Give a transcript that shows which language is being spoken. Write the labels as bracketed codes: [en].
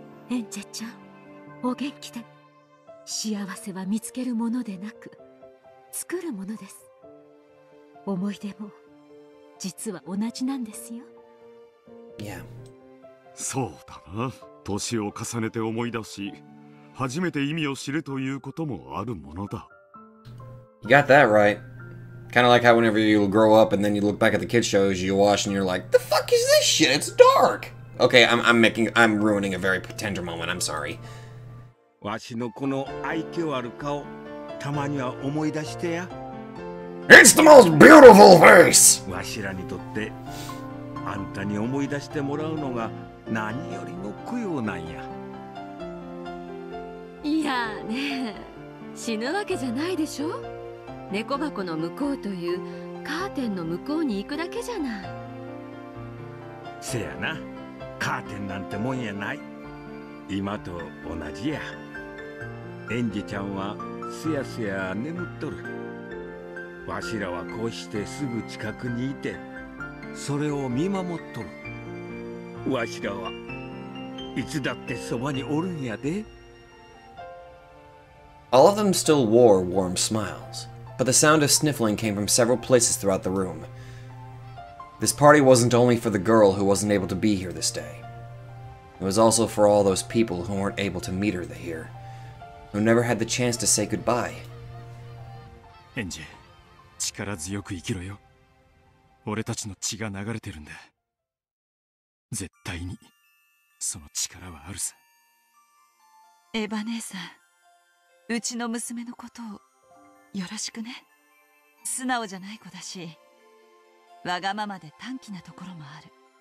[ja] エンジェちゃん、お元気で。幸せは見つけるものでなく作るものです。思い出も実は同じなんですよ。いや、そうだな。年を重ねて思い出し、初めて意味を知るということもあるものだ。 [en] You got that right. Kind of like how whenever you grow up and then you look back at the kids' shows you watch and you're like, the fuck is this shit? It's dark! Okay, I'm ruining a very tender moment. I'm sorry. [ja] わしのこの愛嬌ある顔、たまには思い出してや。 [en] It's the most beautiful face! [ja] わしらにとって、あんたに思い出してもらうのが何よりの供養なんや。いやね、死ぬわけじゃないでしょ。猫箱の向こうというカーテンの向こうに行くだけじゃない。せやな、カーテンなんてもんやない。今と同じや。エンジちゃんはすやすや眠っとる。わしらはこうしてすぐ近くにいてそれを見守っとる。わしらはいつだってそばにおるんやで。 [en] All of them still wore warm smilesBut the sound of sniffling came from several places throughout the room. This party wasn't only for the girl who wasn't able to be here this day. It was also for all those people who weren't able to meet her here, who never had the chance to say goodbye. [ja] Enji, 力強く生きろよ。俺たちの血が流れてるんだ。絶対にその力はあるさ。エヴァ姉さん、うちの娘のことをよろしくね。素直じゃない子だし、わがままで短気なところもある。